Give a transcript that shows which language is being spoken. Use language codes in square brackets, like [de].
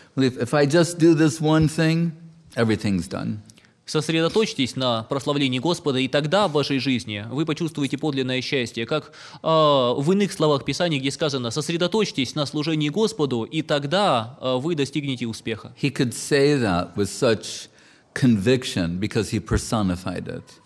[en] If I just do this one thing, everything's done. [ru] Сосредоточьтесь на прославлении Господа, и тогда в вашей жизни вы почувствуете подлинное счастье. Как в иных словах Писания, где сказано, сосредоточьтесь на служении Господу, и тогда вы достигнете успеха. [en] He could say that with such conviction, because he personified it.